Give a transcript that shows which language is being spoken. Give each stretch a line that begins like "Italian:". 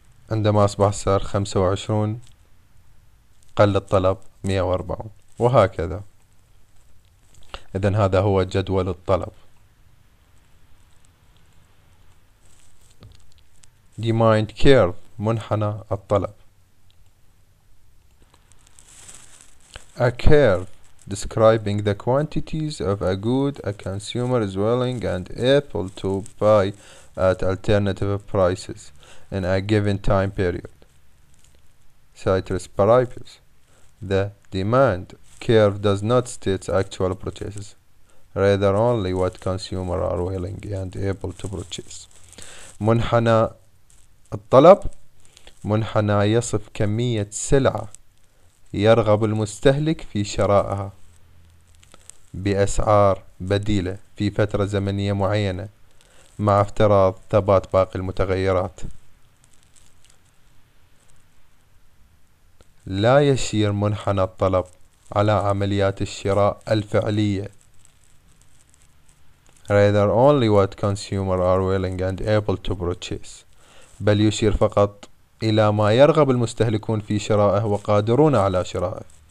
Arabic: عندما أصبح السعر 25 قل الطلب 140، وهكذا. إذن هذا هو جدول الطلب.
English: Demand curve، منحنى الطلب. A curve describing the quantities of a good a consumer is willing and able to buy at alternative prices in a given time period. Ceteris paribus, the demand curve does not state actual purchases, rather only what consumer are willing and able to purchase.
Arabic: منحنى الطلب، منحنى يصف كمية سلعة يرغب المستهلك في شرائها بأسعار بديلة في فترة زمنية معينة مع افتراض ثبات باقي المتغيرات. لا يشير منحنى الطلب على عمليات الشراء الفعلية.
English: Rather only what consumers are willing and able to purchase.
Arabic: بل يشير فقط إلى ما يرغب المستهلكون في شرائه وقادرون على شرائه.